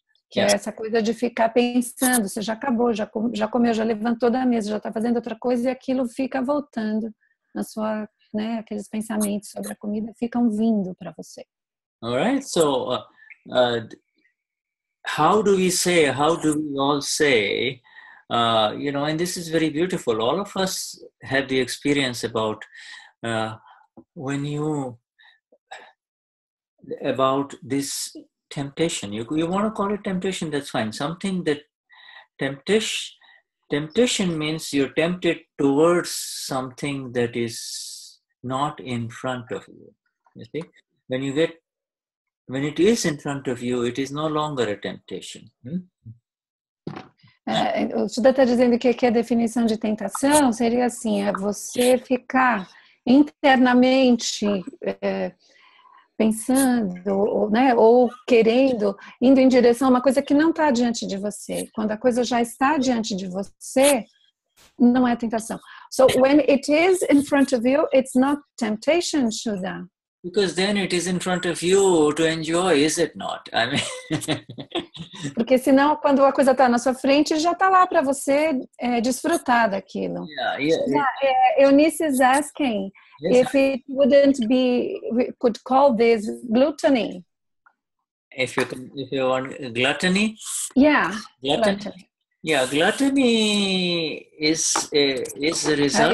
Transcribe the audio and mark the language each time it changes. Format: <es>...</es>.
<pt>Que é essa coisa de ficar pensando, você já acabou, já comeu, já levantou da mesa, já está fazendo outra coisa, e aquilo fica voltando na sua... Né? Aqueles pensamentos sobre a comida ficam vindo para você.</pt> <en>All right, so how do we say, how do we all say, you know, and this is very beautiful. All of us have the experience about when you, about this temptation. You want to call it temptation, that's fine. Something that temptation means you're tempted towards something that is not in front of you. You see, when it is in front of you, it is no longer a temptation.</en> <pt>O Shuddha está dizendo que aqui a definição de tentação seria assim: é você ficar internamente pensando, né, ou querendo, indo em direção a uma coisa que não está diante de você. Quando a coisa já está diante de você, não é tentação.</pt> <en>So when it is in front of you, it's not temptation, Shuddha. Because then it is in front of you to enjoy, is it not? I mean.</en> <pt>Porque senão, quando a coisa está na sua frente, já está lá para você desfrutar daquilo.</pt> <en>Yeah. Eunice is asking if it wouldn't be, we could call this gluttony. If you want gluttony. Yeah. Gluttony. Yeah, gluttony is the result.</en>